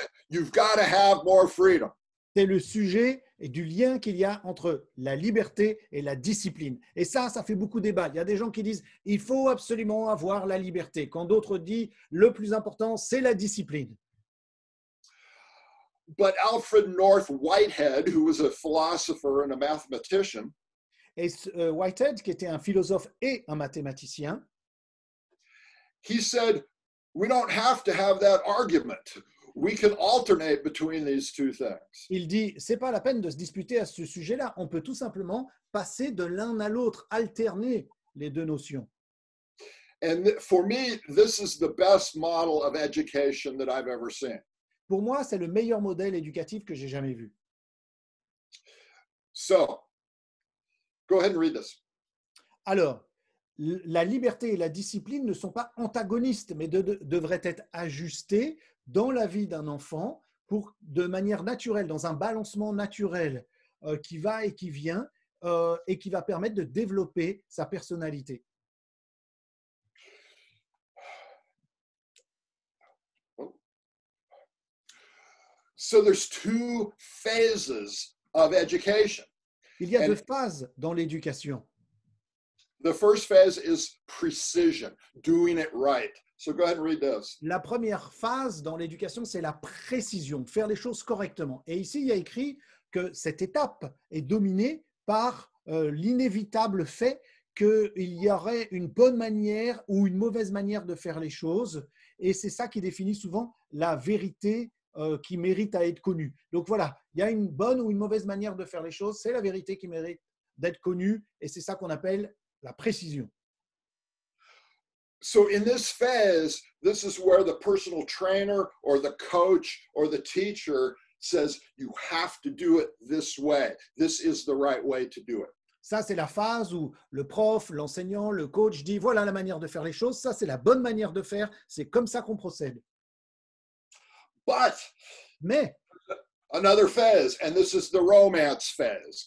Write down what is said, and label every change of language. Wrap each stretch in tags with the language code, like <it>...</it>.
<fr>C'est le sujet et du lien qu'il y a entre la liberté et la discipline. Et ça fait beaucoup débat. Il y a des gens qui disent il faut absolument avoir la liberté, quand d'autres disent le plus important c'est la discipline.</fr> <en>But Alfred North Whitehead, who was a philosopher and a mathematician,</en> <fr>Whitehead, qui était un philosophe et un mathématicien,</fr> <en>he said, we don't have to have that argument. We can alternate between these two things.</en> <fr>Il dit, c'est pas la peine de se disputer à ce sujet-là. On peut tout simplement passer de l'un à l'autre, alterner les deux notions.</fr> <en>And for me, this is the best model of education that I've ever seen.</en> <fr>Pour moi, c'est le meilleur modèle éducatif que j'ai jamais vu.</fr> <en>So, go ahead and read this.</en> <fr>Alors, la liberté et la discipline ne sont pas antagonistes, mais devraient être ajustées dans la vie d'un enfant pour, de manière naturelle, dans un balancement naturel qui va et qui vient et qui va permettre de développer sa personnalité.</fr> <en>So there's two phases of education.</en> <fr>Il y a deux phases dans l'éducation.</fr> <en>The first phase is precision, doing it right. So go ahead and read this.</en> <fr>La première phase dans l'éducation, c'est la précision, faire les choses correctement. Et ici, il y a écrit que cette étape est dominée par l'inévitable fait qu'il y aurait une bonne manière ou une mauvaise manière de faire les choses. Et c'est ça qui définit souvent la vérité qui mérite à être connue. Donc voilà, il y a une bonne ou une mauvaise manière de faire les choses, c'est la vérité qui mérite d'être connue, et c'est ça qu'on appelle la précision.</fr> <en>So in this phase, this is where the personal trainer or the coach or the teacher says, you have to do it this way. This is the right way to do it.</en> <fr>Ça, c'est la phase où le prof, l'enseignant, le coach dit, voilà la manière de faire les choses. Ça, c'est la bonne manière de faire. C'est comme ça qu'on procède.</fr> <en>But,</en> <fr>mais,</fr> <en>another phase, and this is the romance phase.</en>